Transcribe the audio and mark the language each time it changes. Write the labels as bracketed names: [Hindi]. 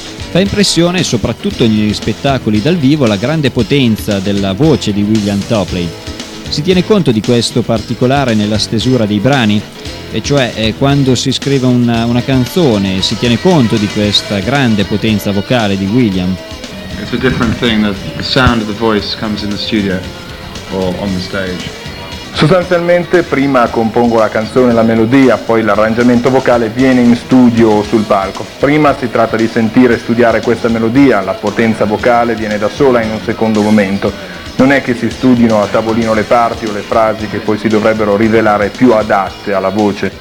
[Italian] Fa impressione, soprattutto negli spettacoli dal vivo, la grande potenza della voce di William Topley. Si tiene conto di questo particolare nella stesura dei brani? E cioè, quando si scrive una canzone, si tiene conto di questa grande potenza vocale di William? [English] It's a different thing that the sound of the voice comes in the studio or on the stage. [Italian] Sostanzialmente prima compongo la canzone, la melodia, poi l'arrangiamento vocale viene in studio o sul palco. Prima si tratta di sentire e studiare questa melodia, la potenza vocale viene da sola in un secondo momento. Non è che si studino a tavolino le parti o le frasi che poi si dovrebbero rivelare più adatte alla voce.